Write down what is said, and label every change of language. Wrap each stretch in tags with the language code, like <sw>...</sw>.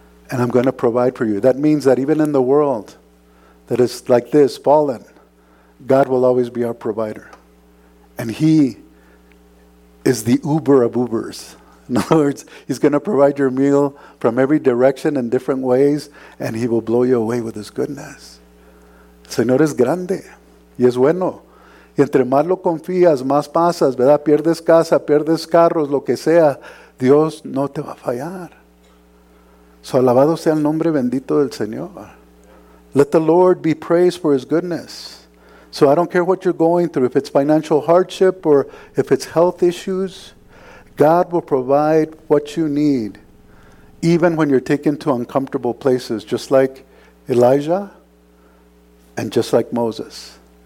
<en>And I'm going to provide for you. That means that even in the world that is like this, fallen, God will always be our provider. And he is the Uber of Ubers. In other words, he's going to provide your meal from every direction in different ways, and he will blow you away with his goodness.</en> <es>Señor es grande y es bueno. Y entre más lo confías, más pasas, ¿verdad? Pierdes casa, pierdes carros, lo que sea. Dios no te va a fallar. So alabado sea el nombre bendito del Señor.</es> <en>Let the Lord be praised for his goodness. So I don't care what you're going through, if it's financial hardship or if it's health issues, God will provide what you need, even when you're taken to uncomfortable places, just like Elijah and just like Moses.</en>